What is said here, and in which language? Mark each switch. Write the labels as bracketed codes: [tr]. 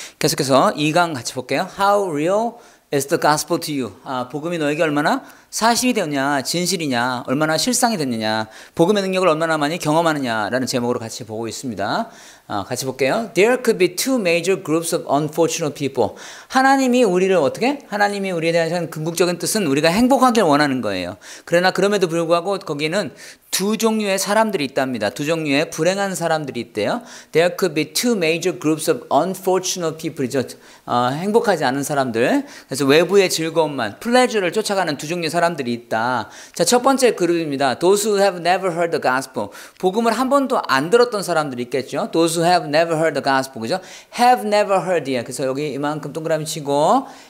[ko] 계속해서 2강 같이 볼게요. [en] How real is the gospel to you? [ko] 아, 복음이 너에게 얼마나 사실이 되었냐, 진실이냐, 얼마나 실상이 됐느냐, 복음의 능력을 얼마나 많이 경험하느냐라는 제목으로 같이 보고 있습니다. 아, 같이 볼게요. [en] There could be two major groups of unfortunate people. [ko] 하나님이 우리를 어떻게? 하나님이 우리에 대한 궁극적인 뜻은 우리가 행복하길 원하는 거예요. 그러나 그럼에도 불구하고 거기는 두 종류의 사람들이 있답니다. 두 종류의 불행한 사람들이 있대요. [en] There could be two major groups of unfortunate people이죠. [ko] 행복하지 않은 사람들. 그래서 외부의 즐거움만, 플레저를 쫓아가는 두 종류의 사람들이 있다. 자, 첫 번째 그룹입니다. [en] Those who have never heard the gospel. [ko] 복음을 한 번도 안 들었던 사람들이 있겠죠. [en] Those who have never heard the gospel. [ko] 그죠? [en] Have never heard. 예. [ko] 그래서 여기 이만큼 동그라미 치고.